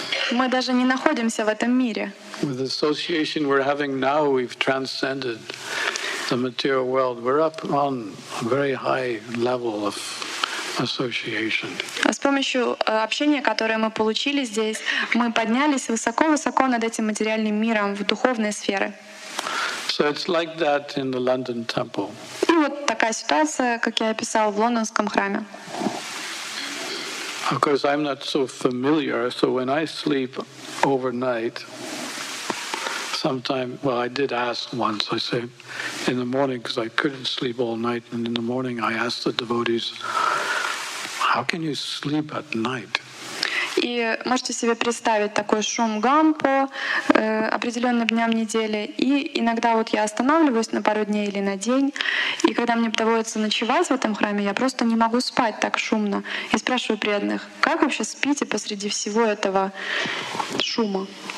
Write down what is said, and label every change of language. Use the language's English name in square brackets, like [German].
[Russian] Мы даже не находимся в этом мире. [English] With the association we're having now, we've transcended the material world. We're up on a very high level of association. [Russian] С помощью общения, которое мы получили здесь, мы поднялись высоко-высоко над этим материальным миром в духовные сферы. [English] So it's like that in the London Temple. [Russian] И вот такая ситуация, как я описал в лондонском храме. [English] Of course, I'm not so familiar, so when I sleep overnight, sometimes, well, I did ask once, I say, in the morning, because I couldn't sleep all night, and in the morning I asked the devotees, how can you sleep at night? [Russian] И можете себе представить такой шум, гам по определенным дням недели. И иногда вот я останавливаюсь на пару дней или на день, и когда мне доводится ночевать в этом храме, я просто не могу спать так шумно. И спрашиваю преданных, как вообще спите посреди всего этого шума?